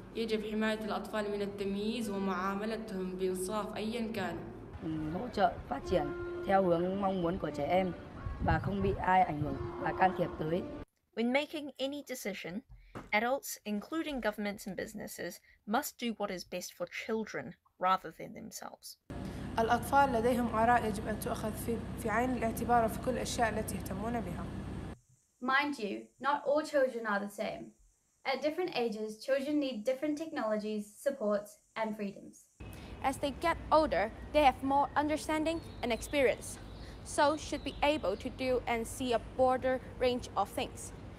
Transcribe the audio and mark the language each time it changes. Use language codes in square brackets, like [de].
[ar] يجب حماية الأطفال من التمييز ومعاملتهم بإنصاف أيا كان. [vi] Hỗ trợ phát triển theo hướng mong muốn của trẻ em. Và không bị ai ảnh hưởng và can thiệp tới. [en] When making any decision, adults, including governments and businesses, must do what is best for children rather than themselves. [ar] الأطفال لديهم آراء يجب أن تؤخذ في عين الاعتبار في كل الأشياء التي يهتمون بها. [en] Mind you, not all children are the same. At different ages, children need different technologies, supports, and freedoms. As they get older, they have more understanding and experience. So should be able to do and see a broader range of things.